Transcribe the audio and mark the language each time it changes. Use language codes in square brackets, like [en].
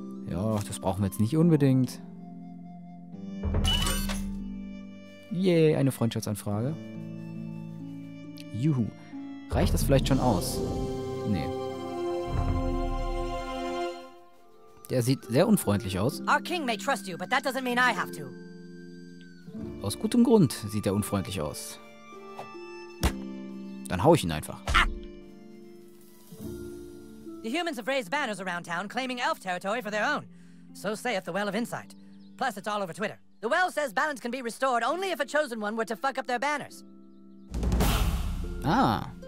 [de] Ja, das brauchen wir jetzt nicht unbedingt. Yay, eine Freundschaftsanfrage. Juhu. Reicht das vielleicht schon aus? Nee. Der sieht sehr unfreundlich aus. [en] Our king may trust you, but that doesn't mean I have to. [de] Aus gutem Grund sieht er unfreundlich aus. Dann hau ich ihn einfach. [en] The humans have raised banners around town claiming elf territory for their own. So sayeth the Well of Insight. Plus it's all over Twitter. The Well says balance can be restored only if a chosen one were to fuck up their banners. Ah.